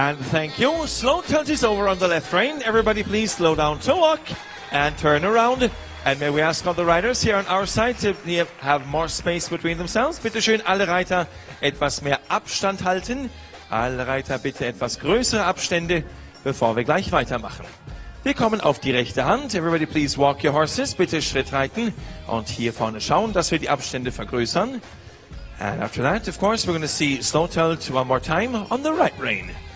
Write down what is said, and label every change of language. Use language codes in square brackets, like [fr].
[en] Thank you. Slow tilt is over on the left rein. Everybody, please slow down to walk and turn around. And may we ask all the riders here on our side to have more space between themselves. [de] Bitte schön, alle Reiter etwas mehr Abstand halten. Alle Reiter bitte etwas größere Abstände, bevor wir gleich weitermachen. Wir kommen auf die rechte Hand. [en] Everybody please walk your horses. [de] Bitte Schritt reiten. Und hier vorne schauen, dass wir die Abstände vergrößern. [en] And after that, of course, we're going to see slow tilt one more time on the right rein.